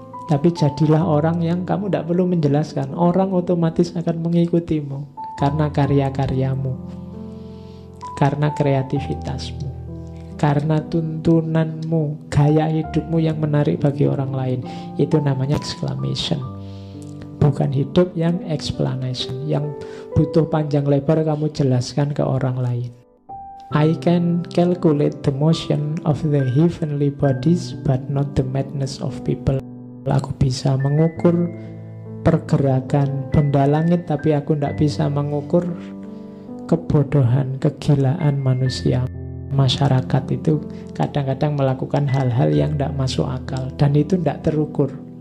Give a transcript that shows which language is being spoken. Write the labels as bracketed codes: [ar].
[id] Tapi jadilah orang yang kamu tidak perlu menjelaskan, orang otomatis akan mengikutimu karena karya-karyamu, karena kreativitasmu, karena tuntunanmu, gaya hidupmu yang menarik bagi orang lain. Itu namanya exclamation. Bukan hidup yang explanation, yang butuh panjang lebar kamu jelaskan ke orang lain. [en] I can calculate the motion of the heavenly bodies, but not the madness of people. [id] Aku bisa mengukur pergerakan benda langit, tapi aku tidak bisa mengukur kebodohan, kegilaan manusia. Masyarakat itu kadang-kadang melakukan hal-hal yang tidak masuk akal, dan itu tidak terukur.